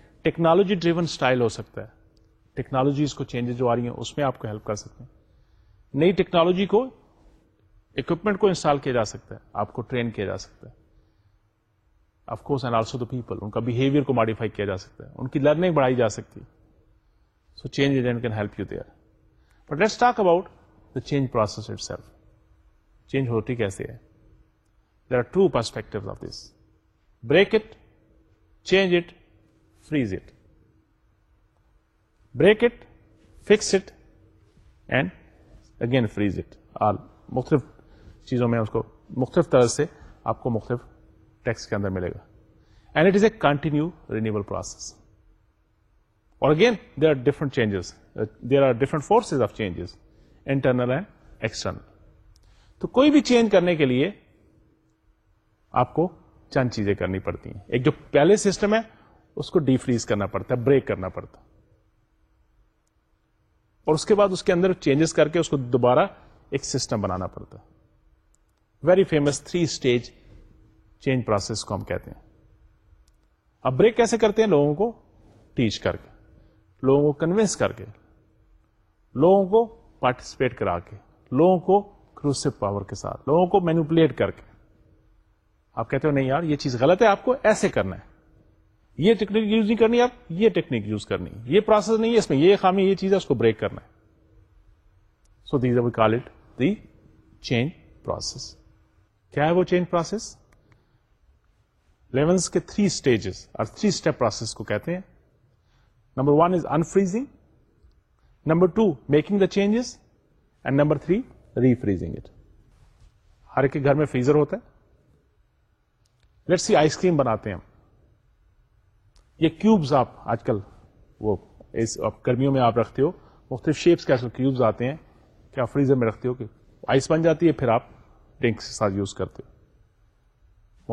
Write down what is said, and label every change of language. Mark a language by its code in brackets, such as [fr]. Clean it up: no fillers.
[ur] Technology driven style ہو سکتا ہے, technologies کو چینجز جو آ رہی ہیں اس میں آپ کو ہیلپ کر سکتے ہیں. نئی ٹیکنالوجی کو, اکوپمنٹ کو انسٹال کیا جا سکتا ہے, آپ کو ٹرین کیا جا سکتا ہے, of course and also the people, ان کا بہیویئر کو ماڈیفائی کیا جا سکتا ہے, ان کی لرننگ بڑھائی جا سکتی. [en] So change agent can help you there. But let's talk about the change process itself. [ur] Change ہوتی کیسے ہے؟ [en] There are two perspective of this, break it, change it, freeze it. Break it, fix it, and again freeze it. [ur] آل مختلف چیزوں میں اس کو مختلف طرح سے آپ کو مختلف ٹیکس کے اندر ملے گا. [en] And it is a continue renewal process. اور again there are different changes, there are different forces of changes, internal and external. [ur] تو کوئی بھی چینج کرنے کے لیے آپ کو چند چیزیں کرنی پڑتی ہیں. ایک جو پہلے سسٹم ہے اس کو ڈی فریز کرنا پڑتا ہے, بریک کرنا پڑتا ہے, اور اس کے بعد اس کے اندر چینجز کر کے اس کو دوبارہ ایک سسٹم بنانا پڑتا ہے. Very famous three stage change process کو ہم کہتے ہیں. اب بریک کیسے کرتے ہیں؟ لوگوں کو ٹیچ کر کے, لوگوں کو کنوینس کر کے, لوگوں کو پارٹیسپیٹ کرا کے, لوگوں کو کروسیو پاور کے ساتھ, لوگوں کو مینیپولیٹ کر کے. آپ کہتے ہو نہیں یار یہ چیز غلط ہے, آپ کو ایسے کرنا ہے, یہ ٹیکنیک یوز نہیں کرنی, آپ یہ ٹیکنیک یوز کرنی, یہ پروسیس نہیں ہے, اس میں یہ خامی, یہ چیز ہے, اس کو بریک کرنا ہے. [en] So these we call it the change process. [ur] کیا ہے وہ چینج پروسیس؟ لیونس کے تھری اسٹیجز اور تھری اسٹیپ پروسیس کو کہتے ہیں. [en] Number one is unfreezing, number two making the changes, and number three refreezing it. [ur] ہر ایک کے گھر میں فریزر ہوتا ہے. لیٹس سی, آئس کریم بناتے ہیں ہم, یہ کیوبز آپ آج کل وہ گرمیوں میں آپ رکھتے ہو, مختلف شیپس کے کیوبز آتے ہیں, کیا فریزر میں رکھتے ہو کہ آئس بن جاتی ہے, پھر آپ ڈرنکس کے ساتھ یوز کرتے ہو.